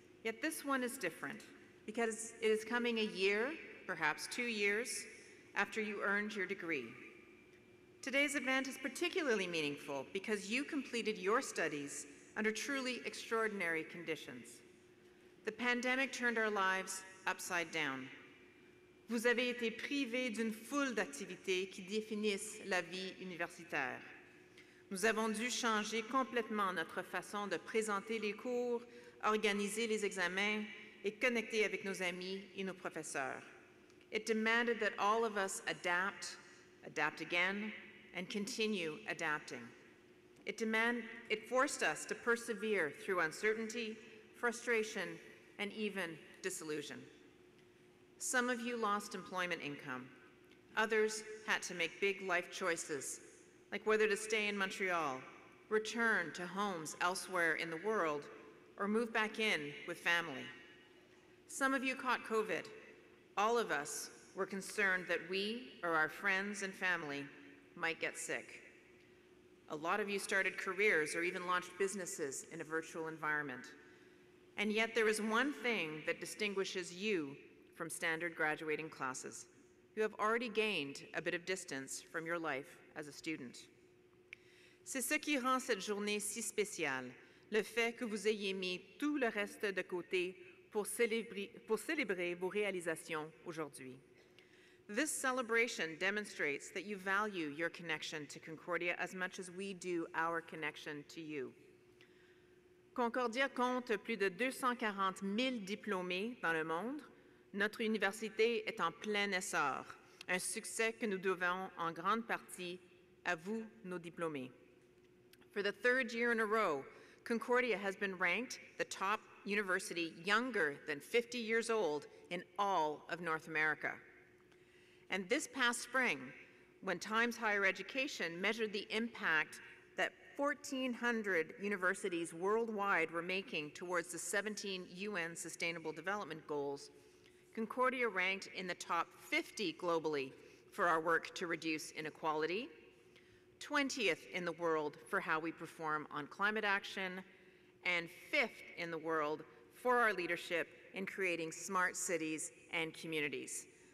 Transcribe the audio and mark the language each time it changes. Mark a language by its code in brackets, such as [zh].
[en] Yet this one is different, because it is coming a year, perhaps 2 years, after you earned your degree. Today's event is particularly meaningful because you completed your studies under truly extraordinary conditions. The pandemic turned our lives upside down. [fr] Vous avez été privé d'une foule d'activités qui définissent la vie universitaire. Nous avons dû changer complètement notre façon de présenter les cours, organiser les examens et connecter avec nos amis et nos professeurs. [en] It demanded that all of us adapt again, and continue adapting. It forced us to persevere through uncertainty, frustration, and even disillusion. Some of you lost employment income. Others had to make big life choices, like whether to stay in Montreal, return to homes elsewhere in the world, or move back in with family. Some of you caught COVID. All of us were concerned that we or our friends and family might get sick. A lot of you started careers or even launched businesses in a virtual environment. And yet there is one thing that distinguishes you from standard graduating classes. You have already gained a bit of distance from your life as a student. [fr] C'est ce qui rend cette journée si spéciale. Le fait que vous ayez mis tout le reste de côté pour célébrer vos réalisations aujourd'hui. [en] This celebration demonstrates that you value your connection to Concordia as much as we do our connection to you. [fr] Concordia compte plus de 240 000 diplômés dans le monde. Notre université est en plein essor. un succès que nous devons en grande partie à vous, nos diplômés. [en] For the third year in a row, Concordia has been ranked the top university younger than 50 years old in all of North America. And this past spring, when Times Higher Education measured the impact that 1,400 universities worldwide were making towards the 17 UN Sustainable Development Goals, Concordia ranked in the top 50 globally for our work to reduce inequality, 20th in the world for how we perform on climate action, and 5th in the world for our leadership in creating smart cities and communities.